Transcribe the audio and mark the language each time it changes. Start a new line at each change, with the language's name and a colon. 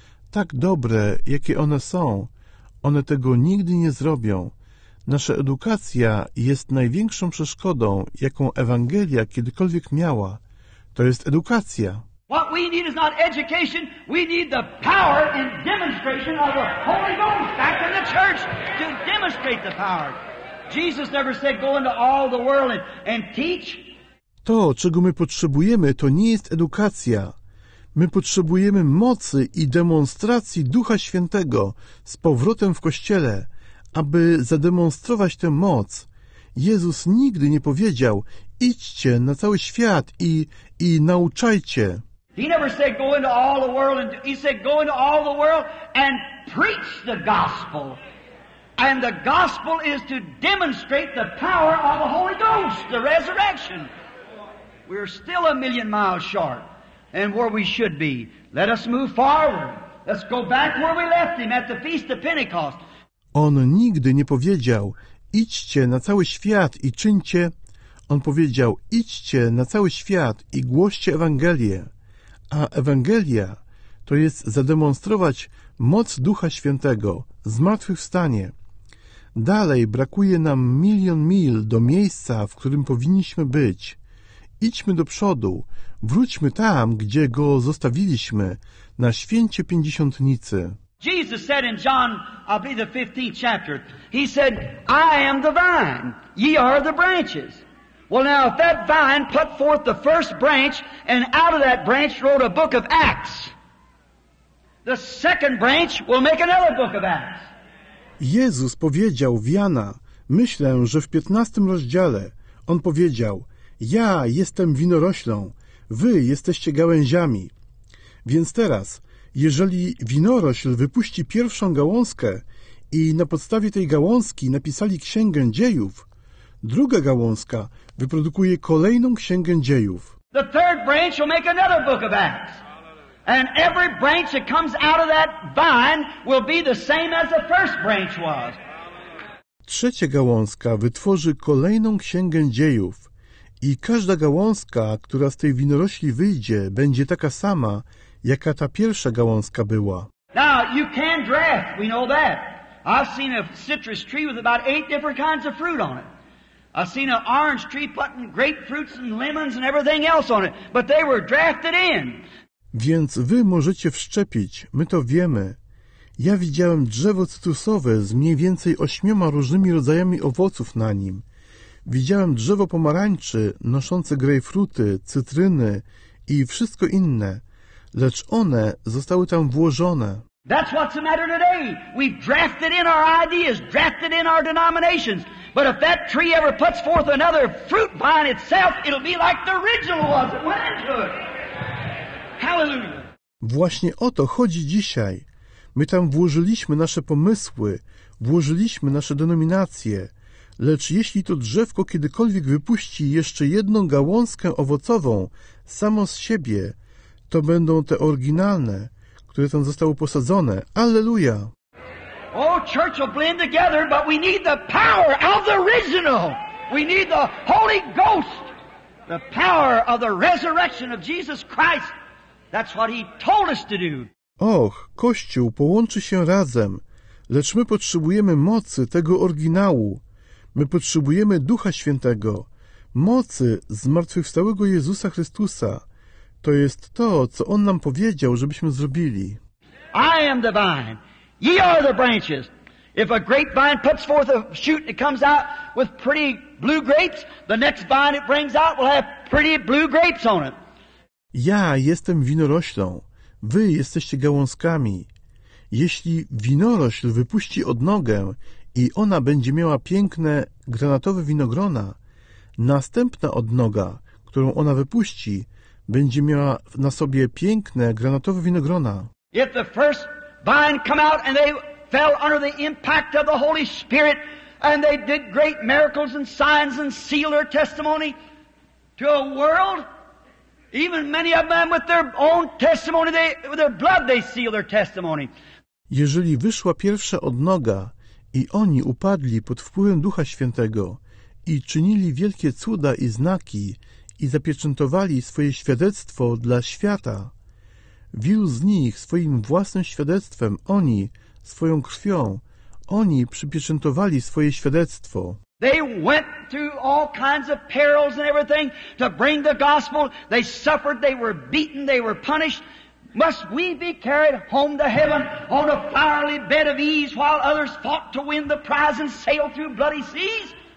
Polish: Tak dobre, jakie one są, one tego nigdy nie zrobią. Nasza edukacja jest największą przeszkodą, jaką Ewangelia kiedykolwiek miała. To jest edukacja.
English: What we need is not education. We need the power and demonstration of the Holy Ghost back in the church to demonstrate the power. Jesus never said go into all the world and teach.
Polish: To, czego my potrzebujemy, to nie jest edukacja. My potrzebujemy mocy i demonstracji Ducha Świętego z powrotem w Kościele, aby zademonstrować tę moc. Jezus nigdy nie powiedział, idźcie na cały świat i nauczajcie.
English: He never said go into all the world, and he said go into all the world and preach the gospel. And the gospel is to demonstrate the power of the Holy Ghost, the resurrection. We're still a million miles short and where we should be. Let us move forward. Let's go back where we left him at the Feast of Pentecost.
Polish: On nigdy nie powiedział, idźcie na cały świat i czyńcie. On powiedział, idźcie na cały świat i głoście Ewangelię. A Ewangelia to jest zademonstrować moc Ducha Świętego, zmartwychwstanie. Dalej brakuje nam milion mil do miejsca, w którym powinniśmy być. Idźmy do przodu, wróćmy tam, gdzie go zostawiliśmy, na święcie Pięćdziesiątnicy.
English: Jesus said in John, I'll be the 15th chapter, he said, I am the vine, ye are the branches. Well now, if that vine put forth the first branch, and out of that branch wrote a book of Acts, the second branch will make another book of Acts.
Polish: Jezus powiedział w Jana, myślę, że w 15 rozdziale, on powiedział, ja jestem winoroślą, wy jesteście gałęziami. Więc teraz, jeżeli winorośl wypuści pierwszą gałązkę i na podstawie tej gałązki napisali księgę dziejów, druga gałązka wyprodukuje kolejną księgę dziejów.
English: The third branch will make another book of Acts. And every branch that comes out of that vine will be the same as the first branch was.
Polish: Trzecia gałązka wytworzy kolejną księgę dziejów. I każda gałązka, która z tej winorośli wyjdzie, będzie taka sama, jaka ta pierwsza gałązka była.
English: Now, you can draft, we know that. I've seen a citrus tree with about 8 different kinds of fruit on it. I've seen an orange tree putting grapefruits and lemons and everything else on it, but they were drafted in.
Polish: Więc wy możecie wszczepić, my to wiemy. Ja widziałem drzewo cytrusowe z mniej więcej 8 różnymi rodzajami owoców na nim. Widziałem drzewo pomarańczy noszące grejpfruty, cytryny i wszystko inne, lecz one zostały tam włożone.
English: That's what's the matter today. We've drafted in our ideas, drafted in our denominations. But if that tree ever puts forth another fruit vine itself, it'll be like the original was at Winehood.
Polish: Właśnie o to chodzi dzisiaj. My tam włożyliśmy nasze pomysły, włożyliśmy nasze denominacje, lecz jeśli to drzewko kiedykolwiek wypuści jeszcze jedną gałązkę owocową samo z siebie, to będą te oryginalne, które tam zostały posadzone. Alleluja!
English: Oh, church will blend together, but we need the power of the original. We need the Holy Ghost. The power of the resurrection of Jesus Christ. That's what he told us to do.
Polish: Och, Kościół połączy się razem, lecz my potrzebujemy mocy tego oryginału. My potrzebujemy Ducha Świętego, mocy zmartwychwstałego Jezusa Chrystusa. To jest to, co On nam powiedział, żebyśmy zrobili.
English: I am the vine. Ye are the branches. If a grapevine puts forth a shoot and it comes out with pretty blue grapes, the next vine it brings out will have pretty blue grapes on it.
Polish: Ja jestem winoroślą, wy jesteście gałązkami. Jeśli winorośl wypuści odnogę i ona będzie miała piękne, granatowe winogrona, następna odnoga, którą ona wypuści, będzie miała na sobie piękne, granatowe winogrona.
English: If the first vine come out and they fell under the impact of the Holy Spirit and they did great miracles and signs and seal their testimony to a world, even many of them with their own testimony, with their blood they seal their testimony.
Polish: Jeżeli wyszła pierwsza odnoga i oni upadli pod wpływem Ducha Świętego i czynili wielkie cuda i znaki i zapieczętowali swoje świadectwo dla świata, wielu z nich swoim własnym świadectwem, oni swoją krwią, oni przypieczętowali swoje świadectwo.
English: They went through all kinds of perils and everything to bring the gospel. They suffered, they were beaten, they were punished. Must we be carried home to heaven on a fiery bed of ease while others fought to win the prize and sail through bloody seas?